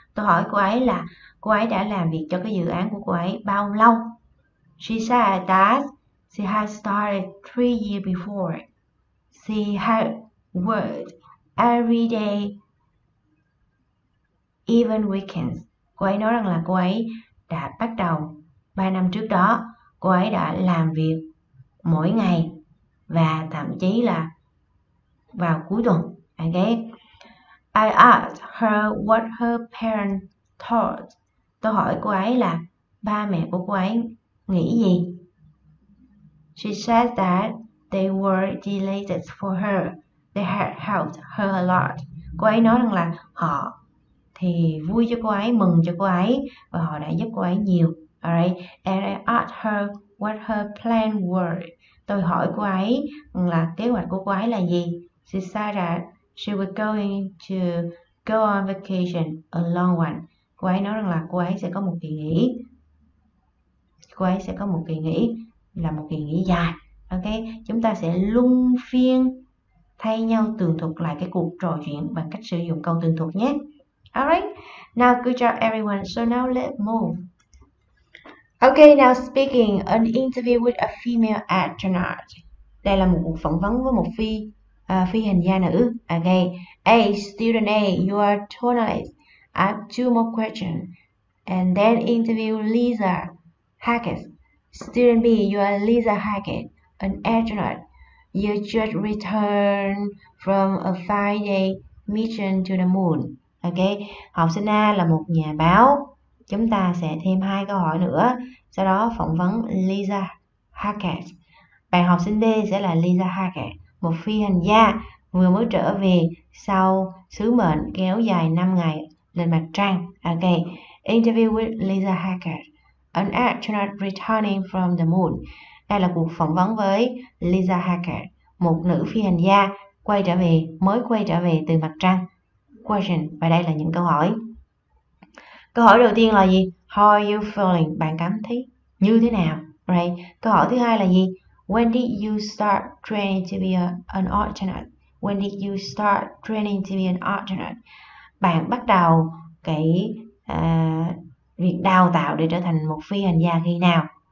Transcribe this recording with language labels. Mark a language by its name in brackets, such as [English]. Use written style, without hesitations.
[Vietnamese] Tôi hỏi cô ấy là cô ấy đã làm việc cho cái dự án của cô ấy bao lâu. [English] She said that she had started 3 years before. She had worked every day, even weekends. [Vietnamese] Cô ấy nói rằng là cô ấy đã bắt đầu 3 năm trước đó. Cô ấy đã làm việc mỗi ngày và thậm chí là vào cuối tuần. Okay. [English] I asked her what her parents thought. [Vietnamese] Tôi hỏi cô ấy là ba mẹ của cô ấy nghĩ gì? [English] She said that they were delighted for her. They had helped her a lot. [Vietnamese] Cô ấy nói rằng là họ thì vui cho cô ấy, mừng cho cô ấy và họ đã giúp cô ấy nhiều. [English] Alright, and I asked her what her plan were. [Vietnamese] Tôi hỏi cô ấy là kế hoạch của cô ấy là gì. [English] She said that she was going to go on vacation, a long one. [Vietnamese] Cô ấy nói rằng là cô ấy sẽ có một kỳ nghỉ. Cô ấy sẽ có một kỳ nghỉ, là một kỳ nghỉ dài. Ok, chúng ta sẽ luân phiên thay nhau tường thuật lại cái cuộc trò chuyện bằng cách sử dụng câu tường thuật nhé. [English] Alright, now good job everyone. So now let's move. Okay, now speaking, an interview with a female astronaut. [Vietnamese] Đây là một cuộc phỏng vấn với một phi hành gia nữ. [English] Okay. A, student A, you are journalist. I have two more questions. And then interview Lisa Hackett. Student B, you are Lisa Hackett, an astronaut. You just returned from a 5-day mission to the moon. [Vietnamese] Okay. Học sinh A là một nhà báo. Chúng ta sẽ thêm hai câu hỏi nữa, sau đó phỏng vấn Lisa Hackett. Bạn học sinh D sẽ là Lisa Hackett, một phi hành gia vừa mới trở về sau sứ mệnh kéo dài 5 ngày lên mặt trăng. Okay. [English] Interview with Lisa Hackett, an astronaut returning from the moon. [Vietnamese] Đây là cuộc phỏng vấn với Lisa Hackett, một nữ phi hành gia quay trở về, mới quay trở về từ mặt trăng. Question, và đây là những câu hỏi. Câu hỏi đầu tiên là gì? [English] How are you feeling? [Vietnamese] Bạn cảm thấy như thế nào? Right. Câu hỏi thứ hai là gì? [English] When did you start training to be an astronaut? When did you start training to be an astronaut? [Vietnamese] Bạn bắt đầu cái việc đào tạo để trở thành một phi hành gia khi nào?